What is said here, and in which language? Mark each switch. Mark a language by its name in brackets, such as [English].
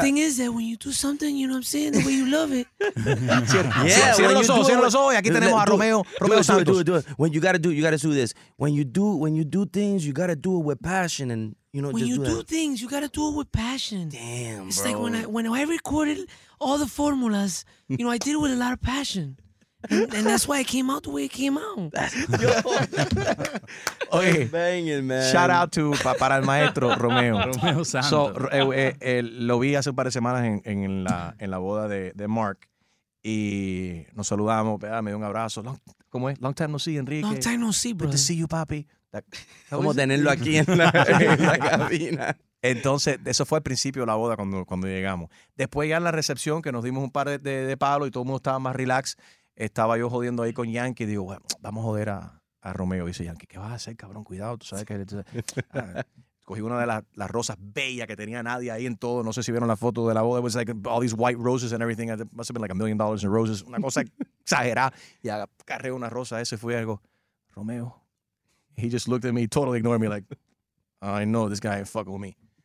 [English] The thing is that when you do something, you know what I'm saying, the way you love it. [Spanish] Cierra los ojos. Y aquí tenemos a Romeo Santos. [English] When you got to do it, you got to do this. When you do things, you got to do it with passion and... You know, when you do things, you gotta do it with passion. Damn, it's bro. It's like when I recorded all the formulas, you know, I did it with a lot of passion. And that's why it came out the way it came out. Okay. Banging, man. Shout out to [Spanish] para el maestro [English] Romeo. Romeo Santos. [Spanish] So, lo vi hace un par de semanas en la boda de Mark. Y nos saludamos, ¿verdad? Me dio un abrazo. ¿Cómo es? [English] Long time no see, [Spanish] Enrique. [English] Long time no see, bro. Good to see you, papi. [Spanish] Como tenerlo aquí en la cabina. Entonces, eso fue al principio de la boda cuando llegamos. Después ya en la recepción, que nos dimos un par de palos y todo el mundo estaba más relax, estaba yo jodiendo ahí con Yankee. Digo, bueno, vamos a joder a Romeo. Dice Yankee, ¿qué vas a hacer, cabrón? Cuidado, tú sabes que... Cogí una de las rosas bellas que tenía nadie ahí en todo. No sé si vieron la foto de la boda. [English] It was like all these white roses and everything. It must have been like $1 million in roses. [Spanish] Una cosa exagerada. Y agarré una rosa. Ese fue algo, [English] Romeo... He just looked at me, totally ignored me, like, I know this guy ain't fucking with me.